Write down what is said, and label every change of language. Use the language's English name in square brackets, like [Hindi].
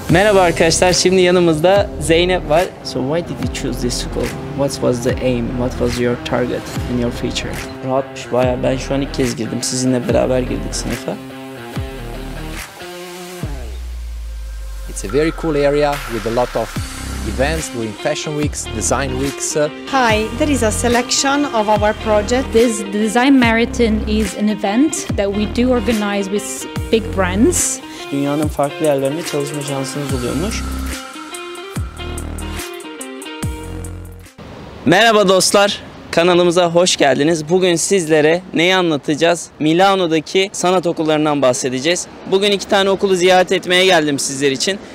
[Turkish] Merhaba arkadaşlar, şimdi yanımızda Zeynep var. [English] So why did you choose this school? What was the aim? What was your target in your future? [Turkish] Rahatmış bayağı, ben şu an ilk kez girdim. Sizinle beraber girdik sınıfa. [English] It's a very cool area with a lot of events, doing fashion weeks, design weeks. Hi, there is a selection of our project. This Design Marathon is an event that we do organize with big brands. [Turkish] Dünyanın farklı yerlerinde çalışma şansınız oluyormuş. Merhaba dostlar, kanalımıza hoş geldiniz. Bugün sizlere neyi anlatacağız? Milano'daki sanat okullarından bahsedeceğiz. Bugün iki tane okulu ziyaret etmeye geldim sizler için.